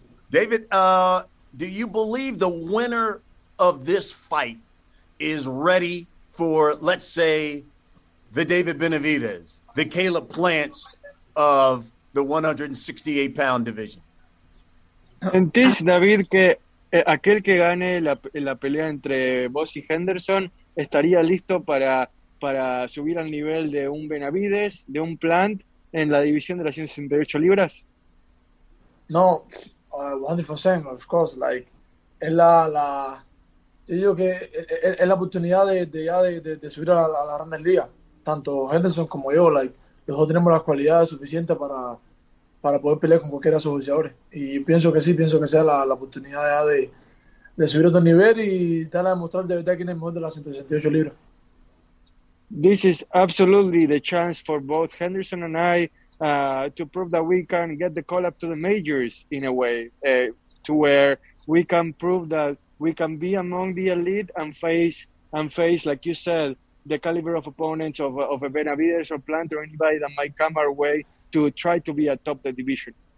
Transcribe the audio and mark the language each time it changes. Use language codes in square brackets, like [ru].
[en] David, do you believe the winner of this fight is ready for, let's say, the David Benavidez, the Caleb Plants of the 168-pound division? [es] Entonces, David, que aquel que gane la pelea entre vos y Henderson estaría listo para subir al nivel de un Benavidez, de un Plant, en la división de las 168 libras? [en] No, 100%, of course. Like, [es] es la yo digo que es la oportunidad de subir a la grandes ligas. Tanto Henderson como yo, [en] like, [es] nosotros tenemos las cualidades suficientes para poder pelear con cualquiera de esos boxeadores. Y pienso que sí, pienso que sea la oportunidad ya de subir otro nivel y dar a demostrar de verdad quién es mejor de las 168 libras. [en] This is absolutely the chance for both Henderson and I to prove that we can get the call up to the majors in a way, to where we can prove that we can be among the elite and face, like you said, the caliber of opponents of a Benavidez or Plant or anybody that might come our way to try to be atop the division.